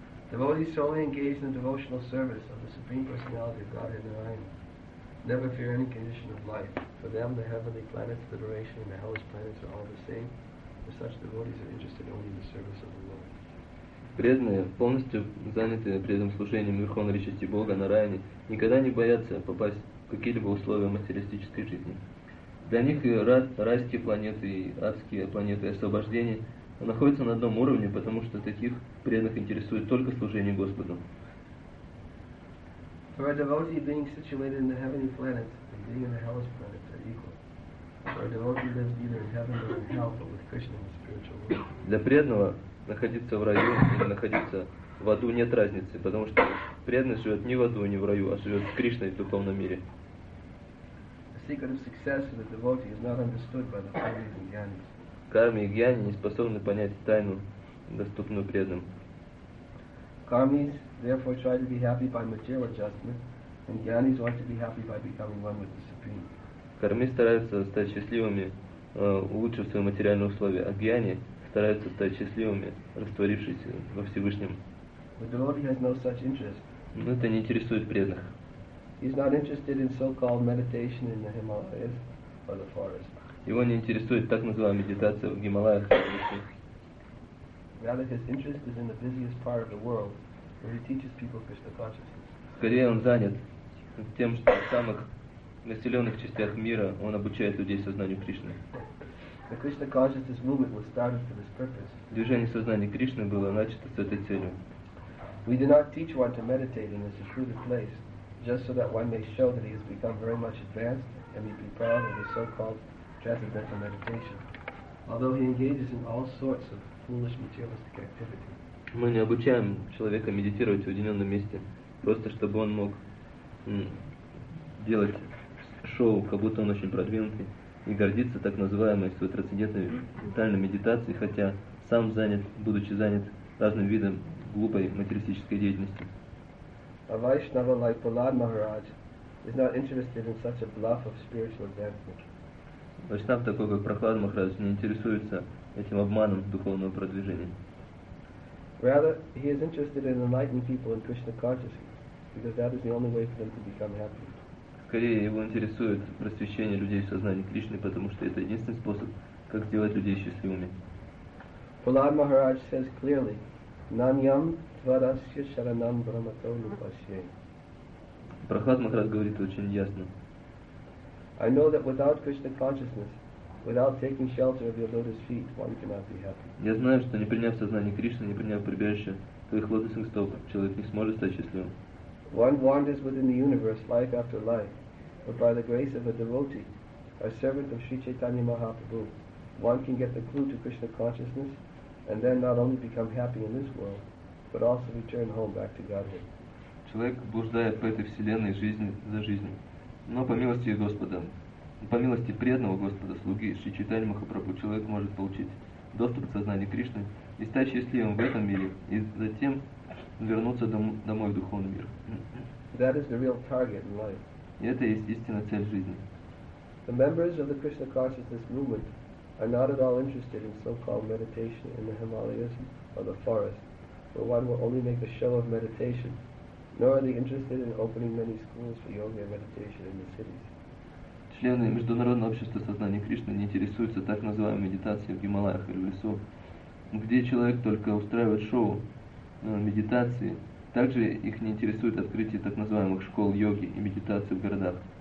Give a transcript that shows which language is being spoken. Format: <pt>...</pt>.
<en>Devotees solely engaged in the devotional service of the Supreme Personality of Godhead Narayana never fear any condition of life. For them, the heavenly planets, the duration, and the hellish planets are all the same. For such devotees are interested only in the service of the Lord.</en> <ru>Преданные, полностью занятые преданным служением Верховной Личности Бога Нараяны, никогда не боятся попасть в какие-либо условия материалистической жизни. Для них и райские планеты, и адские планеты освобождения находятся на одном уровне, потому что таких преданных интересует только служение Господу.</ru> <en>For a devotee being situated in the heavenly planet and being in the hellish planet are equal. For a devotee lives neither in heaven nor in hell, but with Krishna in the spiritual world.</en> <ru>Для преданного находиться в раю или находиться в аду нет разницы, потому что преданный живет не в аду, не в раю, а живет с Кришной в духовном мире.</ru> <en>The secret of success of the devotee is not understood by the Pandits and Gyanis.</en> <ru>Карми и гьяни не способны понять тайну, доступную преданным.</ru> <en>Кармис therefore try to be happy by material adjustment, and gyanis want to be happy by becoming one with the Supreme.</en> <ru>Карми стараются стать счастливыми, улучшив свои материальные условия, а гьяни стараются стать счастливыми, растворившись во Всевышнем.</ru> <en>But the devotee has no such interest.</en> <ru>Но это не интересует преданных.</ru> <en>He's not interested in so-called meditation in the Himalayas or the forest.</en> <ru>Его не интересует так называемая медитация в Гималаях.</ru> <en>Rather, his interest is in the busiest part of the world, where he teaches people Krishna consciousness.</en> <ru>Скорее он занят тем, что в самых населенных частях мира он обучает людей сознанию Кришны.</ru> <en>The Krishna consciousness movement was started for this purpose.</en> <ru>Движение сознания Кришны было начато с этой целью.</ru> <en>We do not teach one to meditate in this secluded place, just so that one may show that he has become very much advanced and may be proud of his so-called transcendental meditation, although he engages in all sorts of foolish materialistic activity.</en> <ru>Мы не обучаем человека медитировать в уединенном месте, просто чтобы он мог делать шоу, как будто он очень продвинутый, и гордится так называемой своей трансцендентной ментальной медитацией, хотя сам занят, будучи занят разным видом глупой материалистической деятельности.</ru> <en>A Vaishnava like Prahlad Maharaj is not interested in such a bluff of spiritual advancement.</en> <ru>Вайшнав такой, как Прохлад Махарадж, не интересуется этим обманом духовного продвижения.</ru> <en>Rather, he is interested in enlightening people in Krishna consciousness, because that is the only way for them to become happy.</en> <ru>Скорее его интересует просвещение людей в сознании Кришны, потому что это единственный способ, как сделать людей счастливыми.</ru> <en>Prahlad Maharaj says clearly,</en> <sa>Nanyam Tvarasya Sharanam Brahmato Nupasye.</sa> <ru>Прохлад Махарадж говорит очень ясно.</ru> <en>I know that without Krishna consciousness, without taking shelter of your lotus feet, one cannot be happy.</en> <ru>Я знаю, что не приняв сознание Кришны, не приняв прибежище твоих лотосных стоп, человек не сможет стать счастливым.</ru> <en>One wanders within the universe life after life, but by the grace of a devotee, a servant of Sri Chaitanya Mahaprabhu, one can get the clue to Krishna consciousness, and then not only become happy in this world, but also return home back to Godhead.</en> <ru>Человек блуждает по этой вселенной жизнь за жизнью. Но по милости Господа, по милости преданного Господа, слуги Шри Чайтаньи Махапрабху, человек может получить доступ к сознанию Кришны и стать счастливым в этом мире, и затем вернуться домой в духовный мир.</ru> <en>That is the real target in life.</en> <ru>И это есть истинная цель жизни.</ru> <en>The members of the Krishna consciousness movement are not at all interested in so-called meditation in the Himalayas or the forest, where one will only make a show of meditation. Nor are they interested in opening many schools for yoga and meditation in the cities.</en> <ru>Члены международного общества сознания Кришны не интересуются так называемой медитацией в Гималаях или в лесу, где человек только устраивает шоу медитации. Также их не интересует открытие так называемых школ йоги и медитации в городах.</ru>